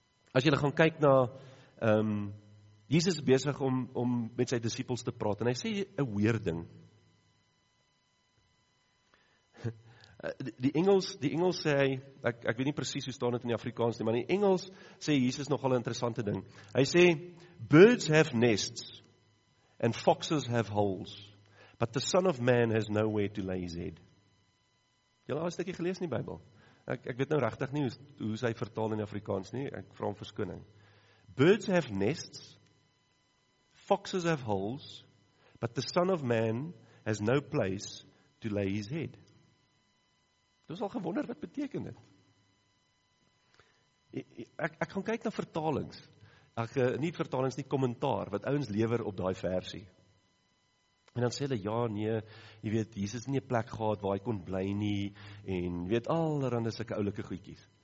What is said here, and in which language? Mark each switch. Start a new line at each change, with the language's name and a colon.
Afrikaans: As jy gaan kyk na Jesus is besig om met sy disippels te praat en hy sê 'n weird ding. Die Engels sê hy, ek weet nie presies hoe staan dit in die Afrikaans nie, maar in die Engels sê Jesus nogal 'n interessante ding. Hy sê,
English: birds have nests, and foxes have holes, but the son of man has nowhere to lay his head.
Afrikaans: Jy al 'n stukkie gelees in die Bybel? Ek weet nou regtig nie hoe sy vertaal in die Afrikaans nie, ek vra om verskoning.
English: Birds have nests, foxes have holes, but the son of man has no place to lay his head.
Afrikaans: Dis al gewonder wat beteken dit. Ek gaan kyk na vertalings. Ek nie vertalings nie, kommentaar wat ouens lewer op daai versie. En dan sê hulle ja, nee, jy weet Jesus het nie 'n plek gehad waar hy kon bly nie en weet alrarande sulke oulike goedjies.